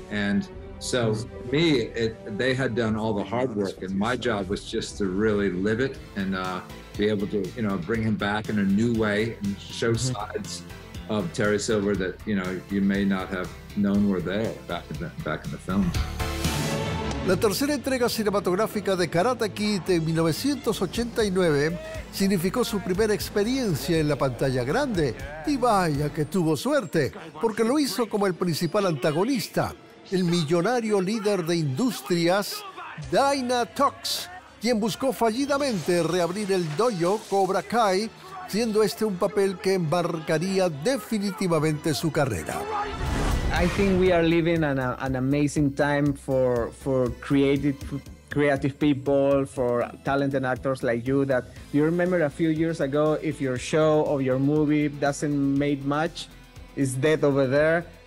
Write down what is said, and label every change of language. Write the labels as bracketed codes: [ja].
[en] And so me, they had done all the hard work, and my job was just to really live it and be able to, you know, bring him back in a new way and show sides of Terry Silver that, you know, you may not have known were there back in the film. [es] La tercera entrega cinematográfica de Karate Kid de 1989 significó su primera experiencia en la pantalla grande, y vaya que tuvo suerte, porque lo hizo como el principal antagonista, el millonario líder de industrias, Dinah Tox, quien buscó fallidamente reabrir el dojo Cobra Kai, siendo este un papel que embarcaría definitivamente su carrera. [en] I think we are living an amazing time for creative people, for talented actors like you. That you remember a few years ago, if your show or your movie doesn't make much, it's dead over there.